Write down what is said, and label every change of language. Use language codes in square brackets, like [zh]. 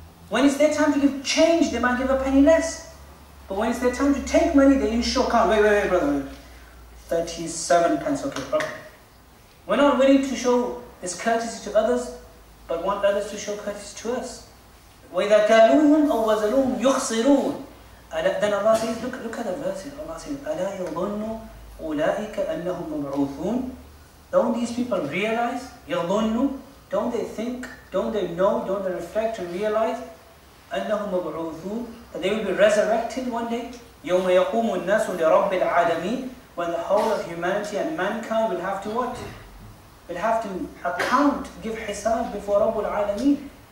[en] When it's their time to give change, they might give a penny less. But when it's their time to take money, they ensure, come, wait, brother. 37 pence, okay, problem. We're not willing to show this courtesy to others, but want others to show courtesy to us. [ar] وَإِذَا كَالُوهُمْ أَوَّزَلُوهُمْ يُخْسِرُونَ. [en] Then Allah says, look at the verses. Allah says, [ar] أَلَا يَظُنُّ أُولَٰئِكَ أَنَّهُمْ مُبْعُوثُونَ. [en] Don't these people realize? يَظُنُّ. Don't they think? Don't they know? Don't they reflect and realize? [ar] أَنَّهُمْ مُبْعُوثُونَ. [en] That they will be resurrected one day. [ar] يَوْمَ يَقُومُ النَّاسُ لِرَبِّ الْعَالَمِينَ. [en] When the whole of humanity and mankind will have to what? Will have to account, give حساب before [ar] رَبُّ الْعَالَمِينَ.